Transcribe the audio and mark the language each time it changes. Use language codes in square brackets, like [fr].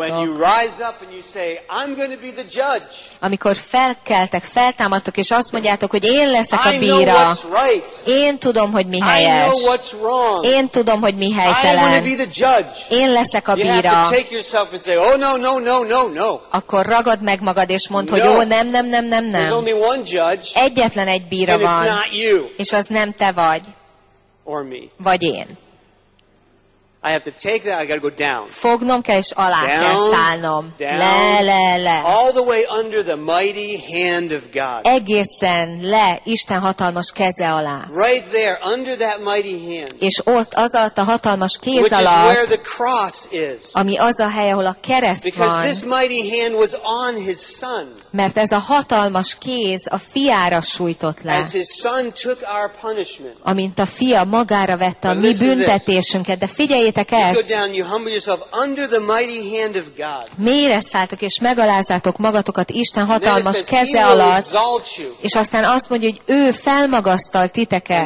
[en] When you rise up and you say, I'm going to be the judge. [hu] Amikor felkeltek, feltámadtok, és azt mondjátok, hogy én leszek a bíra. [en] I know what's right. [hu] Én tudom, hogy mi helyes. [en] I know what's wrong. [hu] Én tudom, hogy mi helytelen. [en] I'm going to be the judge. [hu] Én leszek a bíra. [en] You have to take yourself and say, oh no, no, no, no, no. [hu] Akkor ragad meg magad, és mondd, hogy ó, nem, nem, nem, nem, nem. [en] There's only one judge. [hu] Egyetlen egy bíra van. [en] And it's not you. [hu] És az nem te vagy. [en] Or me. [hu] Vagy én. [en] I have to take that. I got to go down. [hu] Fognom kell és alá [en] down, [hu] kell szállnom. [en] Down, [hu] le. [en] All the way under the mighty hand of God. [hu] Egészen le Isten hatalmas keze alá. [en] Right there under that mighty hand. [hu] És ott az alatt a hatalmas kéz alatt. [en] Which is where the cross is. [hu] Ami az a hely, ahol a kereszt [en] because [hu] van. [en] Because this mighty hand was on his son. [hu] Mert ez a hatalmas kéz a fiára sújtott le. [en] As his son took our punishment. [hu] Amint a fia magára vette a mi büntetésünket, de figyeljétek ezt. [en] You go down, you humble yourself under the mighty hand of God. [hu] Mélyre szálltok és megalázzátok magatokat Isten hatalmas keze alatt. [en] Exalt you. [hu] És aztán azt mondja, hogy ő felmagasztal titeket.